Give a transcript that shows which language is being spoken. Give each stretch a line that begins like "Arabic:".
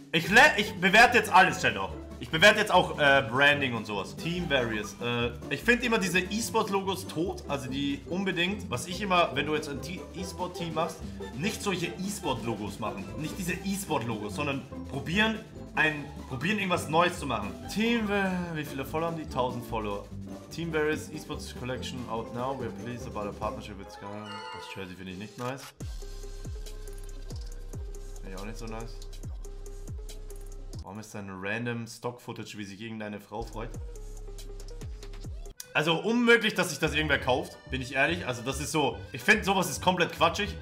German: Ich bewerte jetzt alles, Jen, auch. Ich bewerte jetzt auch Branding und sowas. Team Various. Ich finde immer diese E-Sport-Logos tot. Also die unbedingt. Was ich immer, wenn du jetzt ein E-Sport-Team machst, nicht solche E-Sport-Logos machen. Nicht diese E-Sport-Logos, sondern probieren irgendwas Neues zu machen. Team, wie viele Follower haben die? 1000 Follower.
English: Team Various E-Sports Collection out now. We are pleased about a partnership with Sky.
German: Das Jersey finde ich nicht nice. Finde ich auch nicht so nice. Warum ist da ein random Stock-Footage, wie sich irgendeine Frau freut? Also unmöglich, dass sich das irgendwer kauft, bin ich ehrlich. Also das ist so, ich finde sowas ist komplett quatschig.